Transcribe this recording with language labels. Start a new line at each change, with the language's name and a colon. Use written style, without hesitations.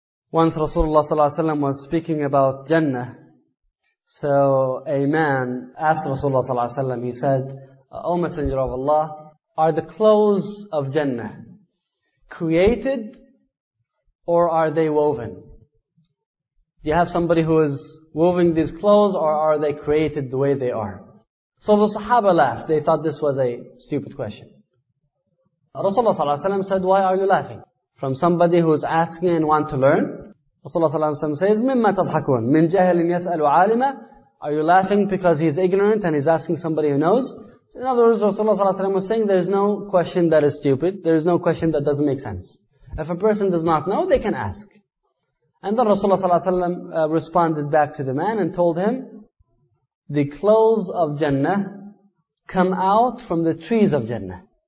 English: Once Rasulullah ﷺ was speaking about Jannah, so a man asked Rasulullah ﷺ, he said, O Messenger of Allah, are the clothes of Jannah created or are they woven? Do you have somebody who is woven these clothes or are they created the way they are? So the Sahaba laughed. They thought this was a stupid question. Rasulullah ﷺ said, why are you laughing? From somebody who is asking and want to learn?
Arabic: Rasulullah ﷺ
English: says,
Arabic: مِمَّا تَضْحَكُونَ مِنْ جَهَلٍ يَسْأَلُ عَالِمًا.
English: Are you laughing because he's ignorant and he's asking somebody who knows? In other words, Rasulullah ﷺ was saying, there is no question that is stupid. There is no question that doesn't make sense. If a person does not know, they can ask. And then Rasulullah ﷺ responded back to the man and told him, the clothes of Jannah come out from the trees of Jannah.